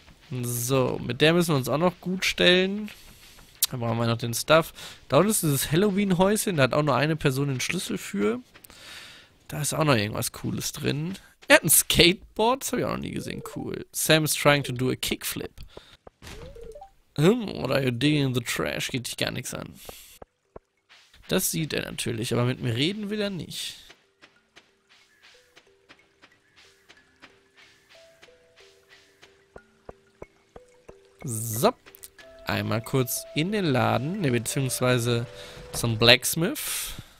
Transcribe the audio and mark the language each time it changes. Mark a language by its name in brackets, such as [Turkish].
[German] So, mit der müssen wir uns auch noch gut stellen. Da brauchen wir noch den Stuff. Da unten ist dieses Halloween-Häuschen. Da hat auch nur eine Person den Schlüssel für. Da ist auch noch irgendwas Cooles drin. Er hat ein Skateboard. Das habe ich auch noch nie gesehen. Cool. [English] Sam is trying to do a kickflip. What are you digging in the trash? [German] Geht dich gar nichts an. Das sieht er natürlich, aber mit mir reden will er nicht. So, einmal kurz in den Laden, ne, beziehungsweise zum Blacksmith.